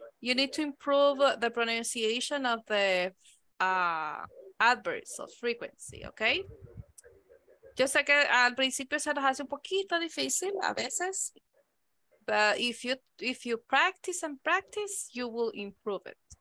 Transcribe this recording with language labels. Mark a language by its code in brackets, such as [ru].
[en] You need to improve the pronunciation of the adverbs of frequency, okay? [es] Yo sé que al principio se nos hace un poquito difícil a veces. [en] But if you practice and practice, you will improve it.